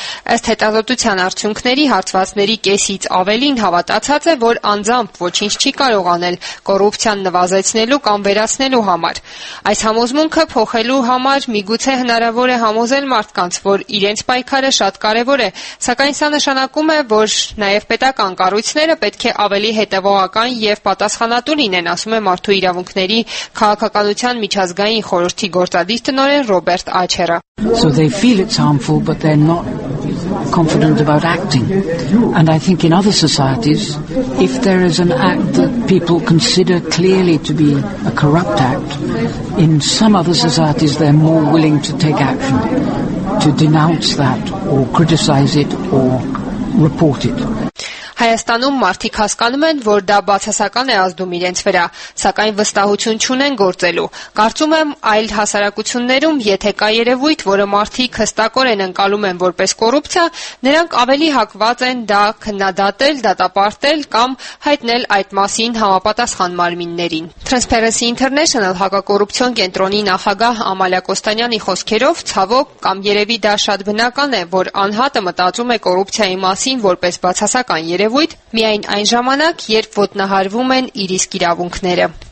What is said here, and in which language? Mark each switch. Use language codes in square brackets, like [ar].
[hy] Ըստ հետազոտության արդյունքների, հարցվածների կեսից ավելին հավատացած է, որ անձամբ ոչինչ չի կարող անել կոռուպցիան նվազեցնելու կամ վերացնելու համար։ Այս համոզմունքը փոխելու համար միգուցե հնարավոր է համոզել մարդկանց, որ իրենց պայքարը շատ կարևոր է, սակայն սա նշանակում է, որ նաև պետական կառույցները պետք է ավելի հետևողական և պատասխանատու լինեն, ասում է մարդու իրավունքների քաղաքականության միջազգային խորհրդի գործադիր տնօրեն Ռոբերտ Աչերը։ [en] So they feel it's harmful, but they're not confident about acting. And I think in other societies, if there is an act that people consider clearly to be a corrupt act, in some other societies they're more willing to take action, to denounce that, or criticize it, or report it. [hy] Հայաստանում մարդիկ հասկանում են, որ դա բացասական է ազդում իրենց վրա, սակայն վստահություն չունեն գործելու։ Կարծում եմ, այլ հասարակություններում, եթե կա երևույթ, որը մարդիկ հստակորեն ընկալում են որպես կոռուպցիա, նրանք ավելի հակված են դա քննադատել, դատապարտել կամ հայտնել այդ մասին համապատասխան մարմիններին։ Transparency International հակակոռուպցիոն կենտրոնի նախագահ Ամալիա Կոստանյանի խոսքերով, ցավոք կամ երևի դա շատ բնական է, որ անհատը մտածում է կոռուպցիայի մասին որպես բացասական երևույթ միայն այն ժամանակ, երբ ոտնահարվում են իր իսկ իրավունքները։